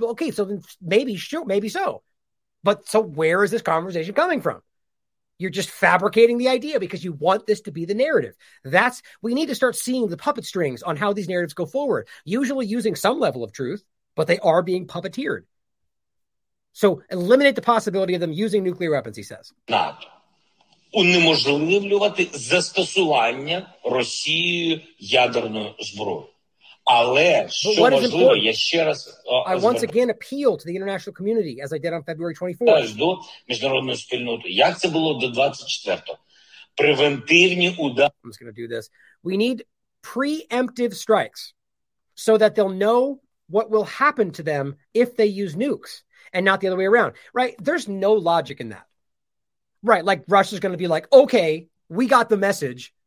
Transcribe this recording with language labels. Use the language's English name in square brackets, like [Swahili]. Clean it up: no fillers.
[English] Well, okay, so then maybe, sure, maybe so. But so where is this conversation coming from? You're just fabricating the idea because you want this to be the narrative. That's, we need to start seeing the puppet strings on how these narratives go forward, usually using some level of truth, but they are being puppeteered. So eliminate the possibility of them using nuclear weapons, he says. [Ukrainian] Not унеможливлювати застосування Росією ядерної зброї. Але що важливо, я ще раз... [English] I once again appeal to the international community, as I did on February 24th. [Ukrainian] До міжнародної спільноти. Як це було до 24-го? Превентивні удари... [English] I'm just going to do this. We need preemptive strikes so that they'll know what will happen to them if they use nukes and not the other way around. Right? There's no logic in that. Right? Like Russia's going to be like, okay, we got the message.